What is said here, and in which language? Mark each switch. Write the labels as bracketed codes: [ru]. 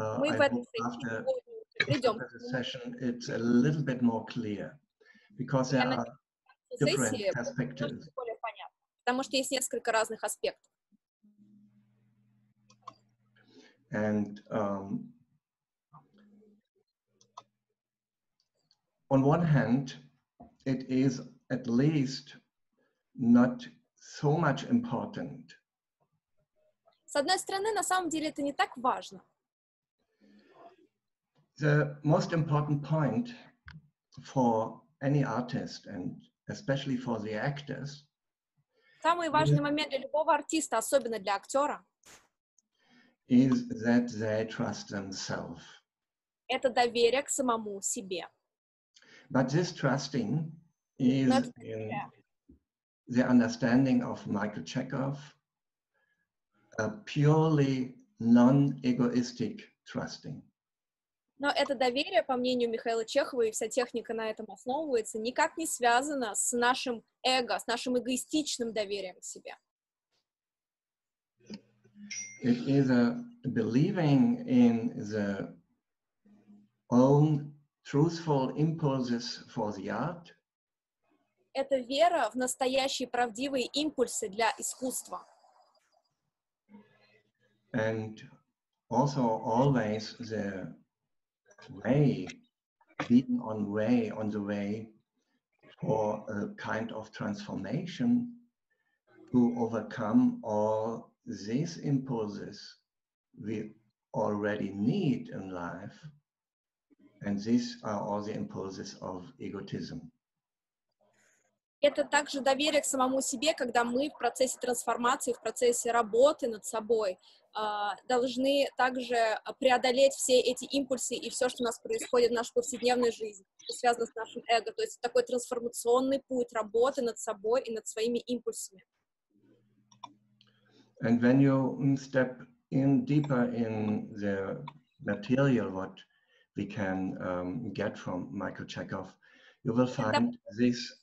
[en] After the session, it's a little bit more clear because there are different perspectives. [ru] Потому что есть несколько разных аспектов. [en] And on one hand, it is at least not so much important. [ru] С одной стороны, на самом деле это не так важно. [en] The most important point for any artist and especially for the actors. [ru] Самый важный момент для любого артиста, особенно для актера, [en] is that they trust themselves. [ru] Это доверие к самому себе. [en] But this trusting is in the understanding of Michael Chekhov, a purely non-egoistic trusting. [ru] Но это доверие, по мнению Михаила Чехова, и вся техника на этом основывается, никак не связано с нашим эго, с нашим эгоистичным доверием к себе. [en] It is a believing in the own truthful impulses for the art. [ru] Это вера в настоящие правдивые импульсы для искусства. [en] And also always the way, leading on way, on the way for a kind of transformation to overcome all these impulses we already need in life, and these are all the impulses of egotism. [ru] Это также доверие к самому себе, когда мы в процессе трансформации, в процессе работы над собой должны также преодолеть все эти импульсы и все, что у нас происходит в нашей повседневной жизни, что связано с нашим эго. То есть такой трансформационный путь работы над собой и над своими импульсами. [en] And when you step in deeper in the material, what we can get from Michael Chekhov, you will find this.